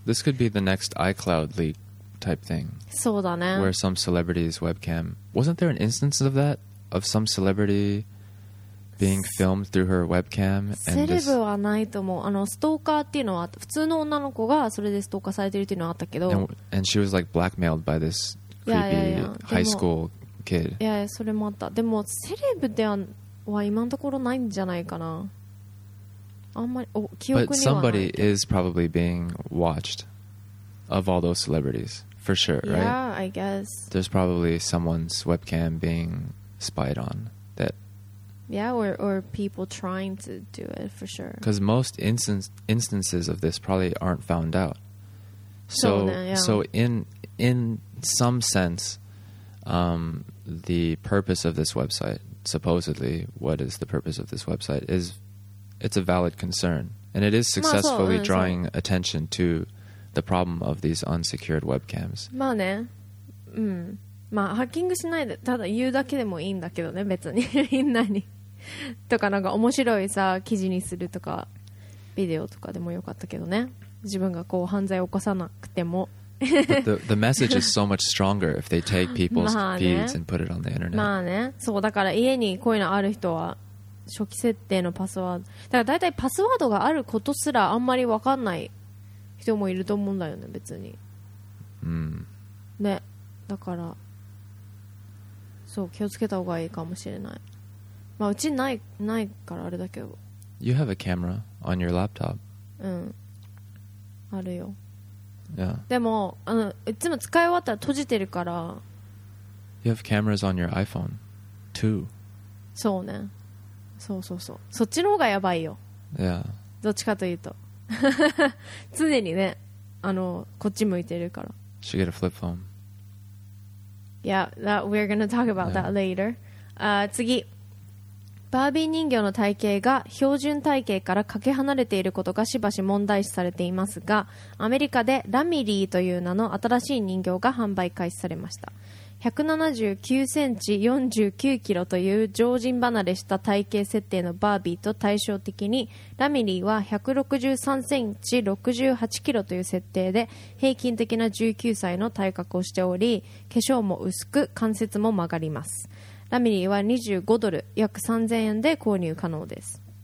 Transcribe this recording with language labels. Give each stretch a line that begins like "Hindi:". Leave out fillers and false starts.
English: This could be the next iCloud leak type thing.
Japanese: そうだね。
English: Where some celebrity's webcam. Wasn't there an instance of that? Of some celebrity being filmed through her webcam?
Japanese: セレブはないと思う。あの、ストーカーっていうのは、普通の女の子がそれでストーカーされてるっていうのはあったけど。
English: And she was like blackmailed by this creepy high school kid.
Japanese: いやいや、それもあった。でも、セレブでは今のところないんじゃないかな。あんまり、お、記憶にはない。
English: But somebody is probably being watched. Of all those celebrities, for sure, yeah, right? Yeah, I guess. There's probably someone's webcam being spied on. That. Yeah, or people trying to do it, for sure. Because most instances of this probably aren't found out. So in some sense, the purpose of this website, supposedly, what is the purpose of this website, is it's a valid concern. And it is successfully drawing attention to... The problem of these unsecured webcams.
Japanese: まあね、うん、まあハッキングしないで、ただ言うだけでもいいんだけどね、別にみんなにとかなんか面白いさ記事にするとかビデオとかでもよかったけどね、自分がこう犯罪を起こさなくても。
English: the message is so much stronger if they take people's feeds and put it on the internet.
Japanese: まあね、そうだから家にこういうのある人は初期設定のパスワード、だからだいたいパスワードがあることすらあんまりわかんない。人もいると思うんだよね別に、うん、ねだからそう気をつけた方がいいかもしれない、まあ、うちないからあれだけど
English: You have a camera on your laptop
Japanese: うんあるよ、
English: yeah.
Japanese: でもあのいつも使い終わったら閉じてるから
English: You have cameras on your iPhone too
Japanese: そうねそうそうそうそっちの方がやばいよ、
English: yeah.
Japanese: どっちかというと常にねあのこっち向いてるから
English: She got a flip phone Yeah, that we're gonna talk about that later、yeah.
Japanese: 次バービー人形の体型が標準体型からかけ離れていることがしばし問題視されていますがアメリカでラミリーという名の新しい人形が販売開始されました 179センチ49キロという常人離れした体型設定のバービーと対照的にラミリーは163センチ68キロという設定で平均的な19歳の体格をしており化粧も薄く関節も曲がりますラミリーは25ドル約3000円で購入可能です